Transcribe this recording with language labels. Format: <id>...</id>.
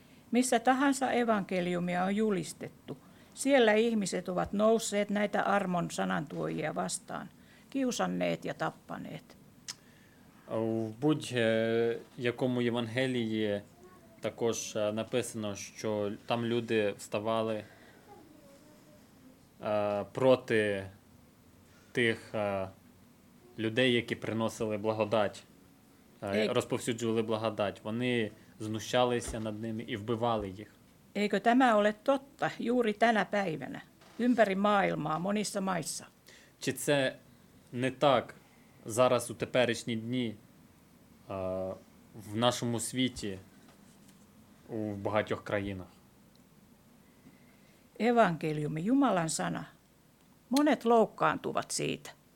<fi>Missä tahansa evankeliumia on julistettu, siellä ihmiset ovat nousseet näitä armon sanantuojia vastaan, kiusanneet ja tappaneet.</fi> <uk>В будь-якому Євангелії також написано, що там люди вставали проти тих людей, які приносили благодать, розповсюджували благодать. Вони знущалися над ними і вбивали їх.</uk> <fi>Eikö tämä ole totta juuri tänä päivänä, ympäri maailmaa, monissa maissa?</fi> <uk>Чи це не так зараз у теперішні дні в нашому світі, у багатьох країнах?</uk> <fi>Евангеліум, Jumalan sana. Monet loukkaantuvat siitä.</fi>